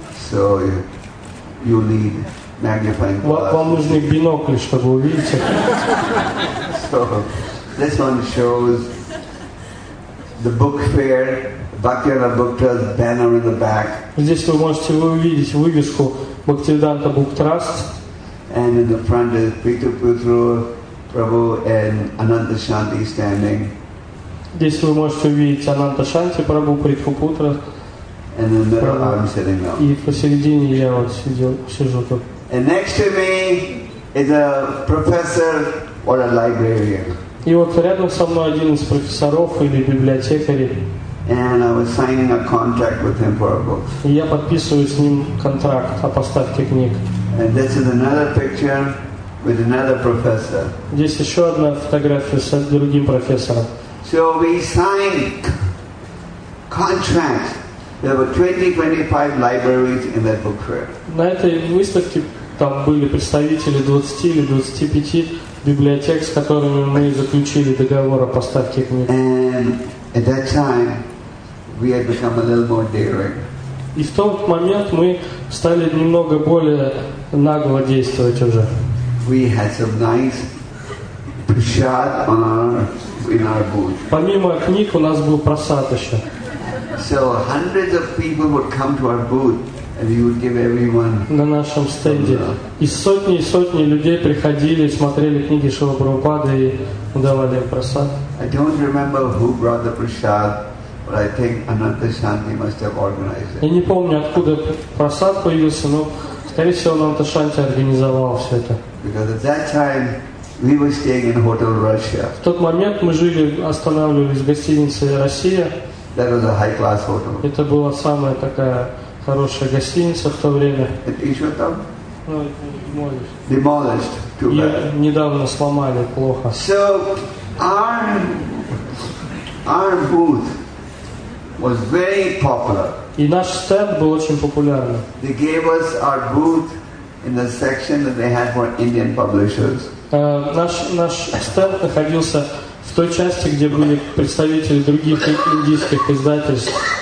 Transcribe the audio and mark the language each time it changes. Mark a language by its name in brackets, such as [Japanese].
[English] So you need magnifying glass. [Russian] Вам нужны бинокли, чтобы увидеть их. [English] So this one shows the book fair. Bhaktivinoda Book Trust banner in the back. [Russian] Здесь вы можете увидеть вывеску Бхактивинода Book Trust. [English] And in the front is Prithu Putra Prabhu and Ananta Shanti standing. [Russian] Здесь вы можете увидеть Ананта Шанти Прабху, Prithu Putra. [English] And in the middle I'm sitting now. [Russian] И посередине я вот сижу тут. [English] And next to me is a professor or a librarian. [Russian] И вот рядом со мной один из профессоров или библиотекарей. [English] And I was signing a contract with him for a book. [Russian] Я подписываю с ним контракт о поставке книг. [English] And this is another picture with another professor. [Russian] Здесь еще одна фотография с другим профессором. [English] So we signed contracts. There were 20-25 libraries in that book fair. [Russian] На этой выставке там были представители 20 или 25 библиотек, с которыми мы заключили договор о поставке книг. [English] And at that time, we had become a little more daring. [Russian] И в тот момент мы стали немного более нагло действовать уже. [English] We had some nice prasad in our booth. [Russian] Помимо книг у нас был просад еще. [English] So hundreds of people would come to our booth, and we would give everyone. [Russian] На нашем стенде и сотни людей приходили, смотрели книги Шрилы Прабхупады и давали им просад. [English] I don't remember who brought the prasad, but I think Ananta Shanti must have organized it. [Russian] Я не помню, откуда просад появился, но скорее всего Ананта Шанти организовал все это. [English] Because at that time we were staying in Hotel Russia. [Russian] В тот момент мы жили, останавливались в гостинице Россия. [English] That was a high-class hotel. [Russian] Это была самая такая хорошая гостиница в то время. [English] It is what там? Ну, demolished. [Russian] Ее недавно сломали, плохо. [English] So, our booth was very popular. [Russian] И наш стенд был очень популярным. [English] They gave us our booth in the section that they had for Indian publishers. [Russian] Наш стенд находился в той части, где были представители других индийских издательств.